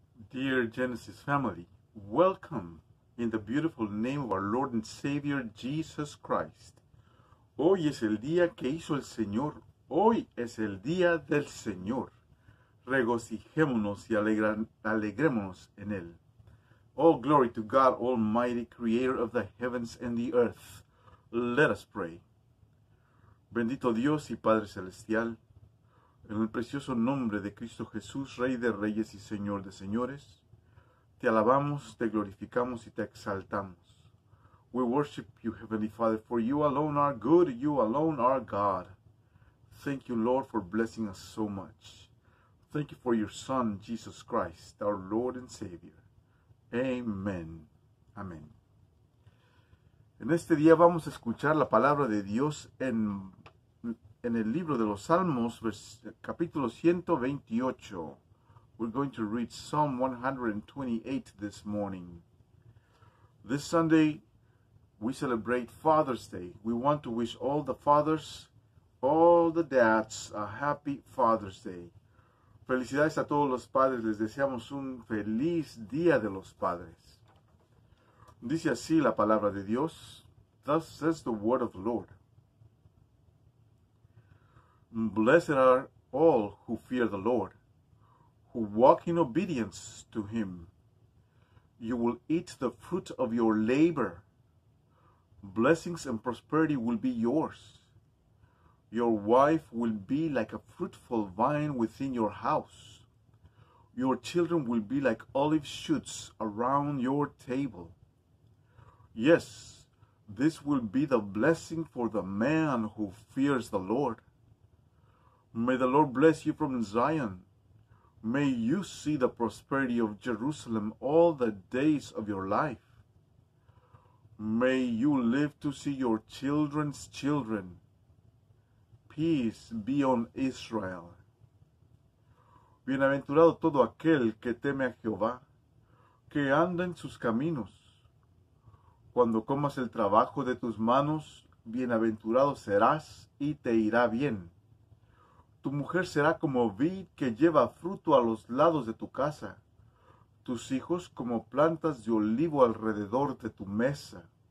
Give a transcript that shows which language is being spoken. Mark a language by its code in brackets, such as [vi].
[en] Dear Genesis family, welcome in the beautiful name of our Lord and Savior Jesus Christ. [es] Hoy es el día que hizo el Señor. Hoy es el día del Señor. Regocijémonos y alegrémonos en él. [en] All glory to God Almighty, Creator of the heavens and the earth. Let us pray. [es] Bendito Dios y Padre Celestial, en el precioso nombre de Cristo Jesús, Rey de Reyes y Señor de Señores, te alabamos, te glorificamos y te exaltamos. [en] We worship you, Heavenly Father, for you alone are good, you alone are God. Thank you, Lord, for blessing us so much. Thank you for your Son, Jesus Christ, our Lord and Savior. Amen. Amen. [es] En este día vamos a escuchar la palabra de Dios en el libro de los Salmos, capítulo 128. [en] We're going to read Psalm 128 this morning. This Sunday, we celebrate Father's Day. We want to wish all the fathers, all the dads, a happy Father's Day. [es] Felicidades a todos los padres. Les deseamos un feliz Día de los Padres. Dice así la palabra de Dios. [en] Thus says the word of the Lord. Blessed are all who fear the Lord, who walk in obedience to him. You will eat the fruit of your labor. Blessings and prosperity will be yours. Your wife will be like a fruitful vine within your house. Your children will be like olive shoots around your table. Yes, this will be the blessing for the man who fears the Lord. May the Lord bless you from Zion. May you see the prosperity of Jerusalem all the days of your life. May you live to see your children's children. Peace be on Israel. [es] Bienaventurado todo aquel que teme a Jehová, que anda en sus caminos. Cuando comas el trabajo de tus manos, bienaventurado serás y te irá bien. Tu mujer será como vid que lleva fruto a los lados de tu casa, tus hijos como plantas de olivo alrededor de tu mesa.